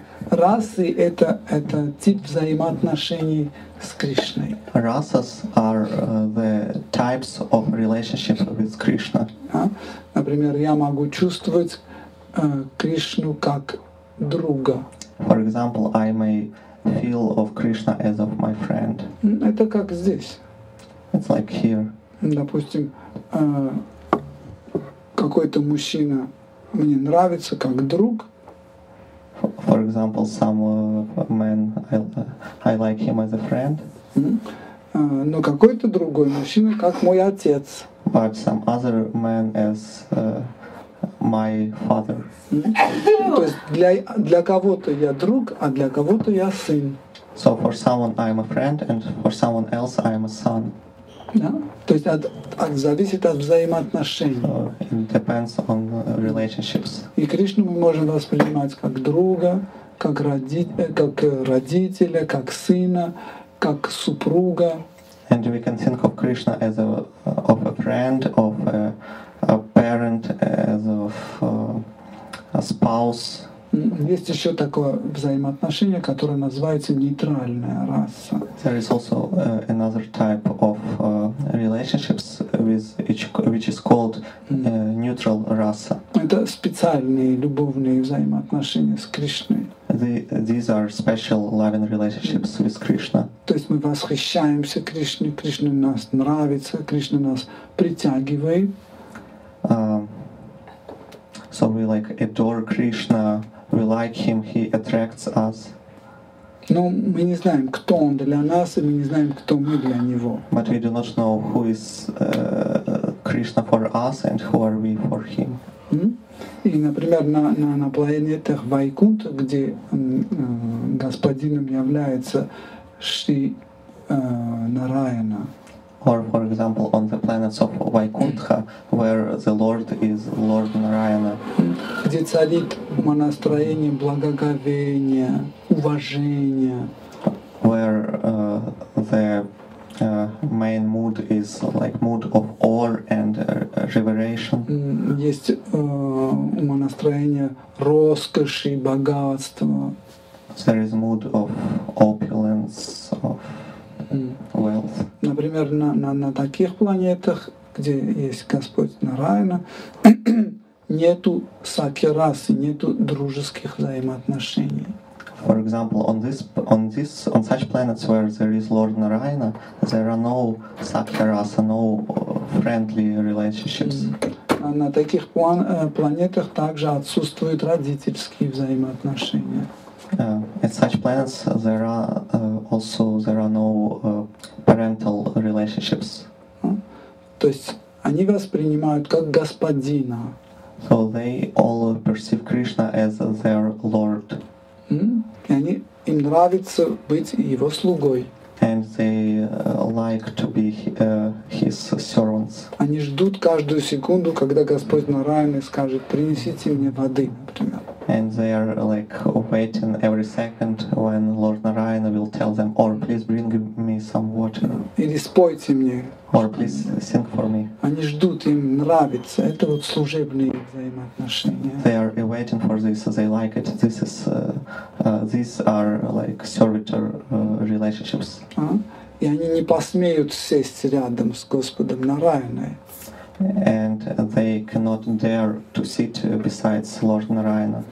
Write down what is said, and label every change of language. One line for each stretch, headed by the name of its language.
Russian: Расы — это тип взаимоотношений с Кришной.
English: Rasas are the types of relationships with Krishna.
Russian: Например, я могу чувствовать Кришну как друга.
English: For example, I may feel of Krishna as of my friend.
Russian: Это как здесь.
English: It's like here.
Russian: Допустим, какой-то мужчина мне нравится как друг.
English: For example, some man I like him as a friend.
Russian: Но какой-то другой мужчина как мой отец.
English: But some other man as my father.
Russian: То есть для кого-то я друг, а для кого-то я сын.
English: So for someone I am a friend and for someone else I am a son.
Russian: Да? То есть от зависит от взаимоотношений.
English: So it depends on relationships.
Russian: И Кришну мы можем воспринимать как друга, как родителя, как сына, как супруга.
English: And we can think of Krishna as a friend, of a parent, as of a spouse.
Russian: Есть еще такое взаимоотношение, которое называется нейтральная раса.
English: There is also another type of relationships with each, which is called neutral rasa.
Russian: Это специальные любовные взаимоотношения с Кришной.
English: These are special loving relationships with Krishna.
Russian: То есть мы восхищаемся Кришной, Кришна нас нравится, Кришна нас притягивает.
English: So we adore Krishna. We like him, he attracts us.
Russian: Но мы не знаем, кто он для нас, и мы не знаем, кто мы для него.
English: But we do not know who is Krishna for us and who are we for him?
Russian: И, например, на планетах Вайкунта, где господином является Шри Нараяна.
English: Or, for example, on the planets of Vaikuntha, where the Lord is Lord Narayana.
Russian: Где царит настроение благоговения, уважения.
English: Where the main mood is like mood of awe and reveration.
Russian: Есть умонастроение роскоши, богатства.
English: There is mood of opulence, of wealth.
Russian: Например, на таких планетах, где есть Господь Нараяна, нету сакирасы, нету дружеских взаимоотношений.
English: For example, on such planets where there is Lord Narayana, there are no sakya-rasa, no friendly relationships.
Russian: На таких планетах также отсутствуют родительские взаимоотношения.
English: At such planets, there are no parental relationships.
Russian: То есть они воспринимают как господина.
English: So they all perceive Krishna as their lord.
Russian: И они им нравится быть его слугой.
English: And they like to be his servants.
Russian: Они ждут каждую секунду, когда Господь Нараяна скажет: принесите мне воды, например.
English: And they are like waiting every second when Lord Narayana will tell them, or please bring me some water.
Russian: Или спойте мне.
English: Or please sing for me.
Russian: Они ждут, им нравится. Это вот служебные взаимоотношения.
English: They are waiting for this, they like it. This is these are like servitor relationships.
Russian: И они не посмеют сесть рядом с Господом Нараяной.
English: And they cannot dare to sit beside Lord Narayana.